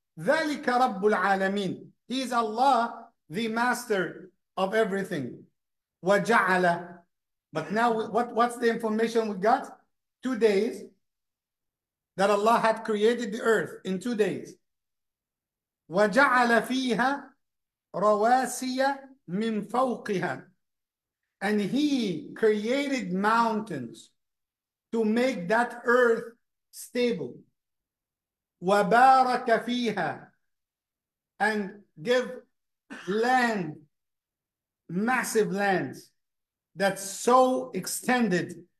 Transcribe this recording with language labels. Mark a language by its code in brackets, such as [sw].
[ar] ذلك رب العالمين. [en] He is Allah, the master of everything. وجعل. But now, what's the information we got? 2 days that Allah had created the earth in 2 days. [ar] وجعل فيها رواسي من فوقها. [en] And he created mountains to make that earth stable. [ar] وبارك فيها. [en] And give land, massive lands that's so extended.